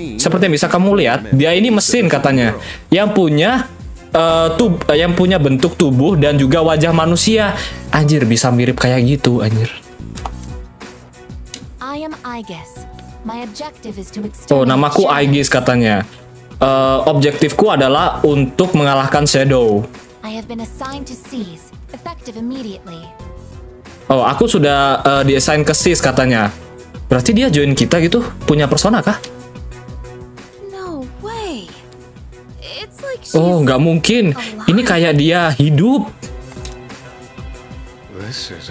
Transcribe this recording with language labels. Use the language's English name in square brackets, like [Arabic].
[Indonesian] Seperti yang bisa kamu lihat, dia ini mesin katanya, yang punya yang punya bentuk tubuh dan juga wajah manusia. Anjir, bisa mirip kayak gitu, anjir. [English] I am Aegis. My objective is to [Indonesian] extend. Oh, namaku Aegis katanya. Objektifku adalah untuk mengalahkan Shadow. [English] I have been assigned to seize, effective immediately. [Indonesian] Oh, aku sudah diassign ke Sis katanya. Berarti dia join kita gitu? Punya persona kah? [English] No way. It's like [Indonesian] she's... Oh, nggak mungkin. Ini kayak dia hidup. [English] This is